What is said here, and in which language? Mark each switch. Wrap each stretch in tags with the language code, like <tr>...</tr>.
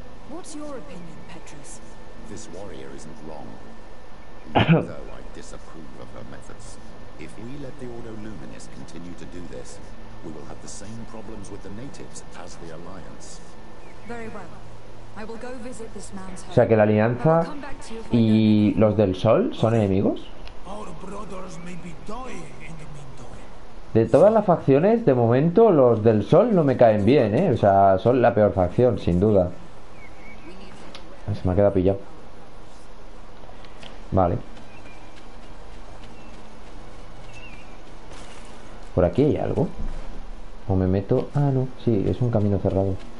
<en>What's your opinion, Petrus? This warrior isn't wrong. Though I disapprove of her methods. If we let the Ordo Luminis continue to do this, we will have the same problems with the natives as the Alliance. Very well. I will go visit this man's home.</en> <es>O sea que la Alianza y los del Sol son enemigos.</es> <en>Our brothers may be dying in the meantime.</en> <es>De todas las facciones, de momento, los del Sol no me caen bien, ¿eh? O sea, son la peor facción, sin duda. Se me ha quedado pillado. Vale. ¿Por aquí hay algo? ¿O me meto? Ah, no. Sí, es un camino cerrado.</es>